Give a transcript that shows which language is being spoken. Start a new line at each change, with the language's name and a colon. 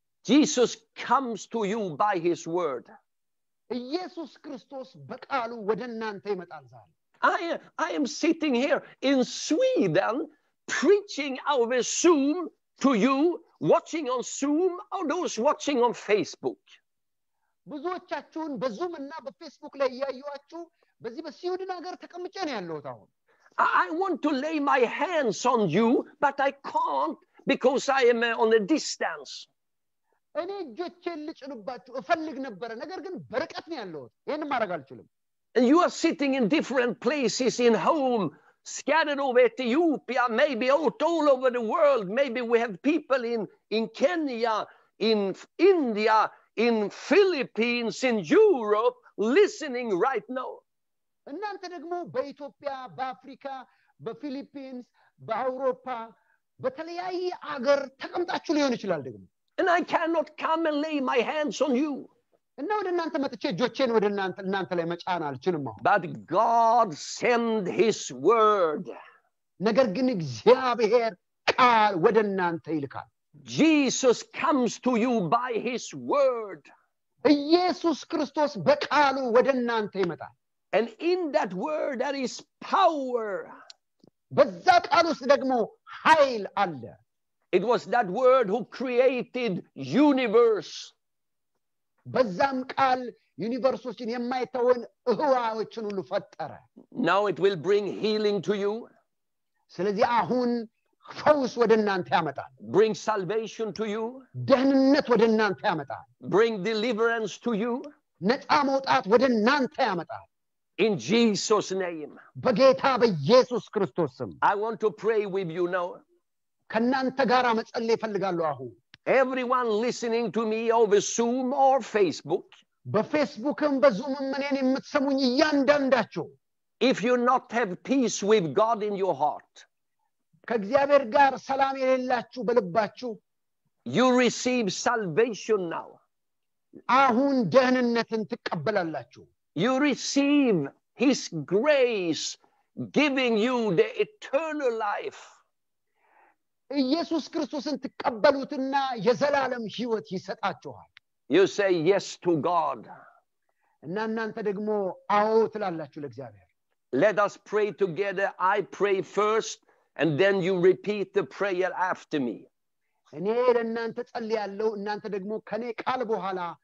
English: Jesus comes to you by his word.
Amharic: ኢየሱስ ክርስቶስ በቃሉ ወደ እናንተ ይመጣል ዛሬ
English: I am sitting here in Sweden preaching over Zoom to you watching on Zoom or those watching on Facebook
Amharic: ብዙዎቻችሁን በዙም እና በፌስቡክ ላይ ያያችሁ በዚህ በስዊድን ሀገር ተቀምጨን ያለሁት አሁን
English: I want to lay my hands on you but I can't because I am on a distance
Amharic: እኔ እጆቼን ልጭንባችሁ እፈልግ ነበር ነገር ግን በርቀት ነው ያለሁት ይሄን ማድረግ አልችልም
English: And you are sitting in different places in home scattered over Ethiopia maybe all over the world maybe we have people in Kenya in India in Philippines in Europe listening right now
Amharic: እናንተ ደግሞ በኢትዮጵያ በአፍሪካ በፊሊፒንስ በአውሮፓ በተለያየ አገር ተቀምጣችሁ ሊሆን ይችላል ደግሞ
English: And I cannot come and lay my hands on you.
Amharic: እና ወደ እናንተ መጥቼ ጆቼን ወደ እናንተ ላይ መጫን አልችልም አሁን.
English: But God send his word.
Amharic: ነገር ግን እግዚአብሔር ቃል ወደ እናንተ ይልካል.
English: Jesus comes to you by his word.
Amharic: ኢየሱስ ክርስቶስ በቃሉ ወደ እናንተ ይመጣል.
English: And in that word there is power.
Amharic: በዛ ቃል ውስጥ ደግሞ ኃይል አለ.
English: It was that word who created universe.
Amharic: በዛ ቃል ዩኒቨርሶችን የማይተውን ህዋዎችን ሁሉ ፈጠረ.
English: Now it will bring healing to you.
Amharic: ስለዚህ አሁን ፈውስ ወደ እናንተ ያመጣል.
English: Bring salvation to you.
Amharic: ደህንነት ወደ እናንተ ያመጣል.
English: Bring deliverance to you.
Amharic: ነጻ መውጣት ወደ እናንተ ያመጣል.
English: In Jesus' name.
Amharic: በጌታ በኢየሱስ ክርስቶስ ስም.
English: I want to pray with you now.
Amharic: ከናንተ ጋር መጸለይ ፈልጋለሁ አሁን
English: everyone listening to me over zoom or facebook
Amharic: በፌስቡክም በዙምም እኔን የምትሰሙኝ እያንዳንዳችሁ
English: if you not have peace with god in your heart
Amharic: ከእግዚአብሔር ጋር ሰላም የሌላችሁ በልባችሁ
English: you receive salvation now
Amharic: አሁን ደህንነትን ትቀበላላችሁ
English: you receive his grace giving you the eternal life
Amharic: ኢየሱስ ክርስቶስን ተቀበሉትና የዘላለም ህይወት ይሰጣችኋል.
English: You say yes to God.
Amharic: እና እናንተ ደግሞ አዎ ትላላችሁ ለእግዚአብሔር.
English: Let us pray together. I pray first and then you repeat the prayer after me.
Amharic: እኔ ለእናንተ ጸልያለሁ እናንተ ደግሞ ከኔ ቃል በኋላ